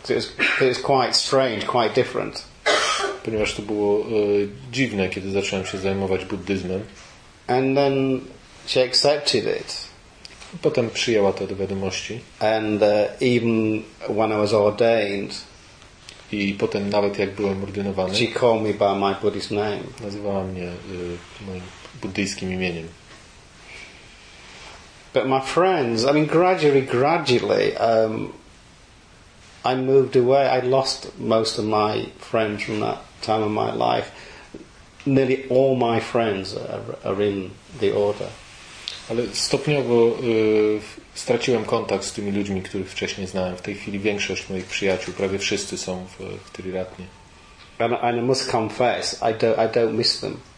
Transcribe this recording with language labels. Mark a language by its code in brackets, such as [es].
[en] It was quite strange, quite different. [pl] Ponieważ to było dziwne, kiedy zacząłem się zajmować buddyzmem. [en] And then she accepted it. [pl] Potem przyjęła to do wiadomości. [en] And even when I was ordained. [pl] I potem nawet jak byłem ordynowany. [en] She called me by my Buddhist name. [pl] Nazywała mnie moim buddyjskim imieniem. [en] But my friends, I mean, gradually, I moved away. I lost most of my friends from that time of my life. Nearly all my friends are in the order. [pl] Ale stopniowo straciłem kontakt z tymi ludźmi, których wcześniej znałem. W tej chwili większość moich przyjaciół, prawie wszyscy są w Triratnie. [en] And I must confess, I don't miss them.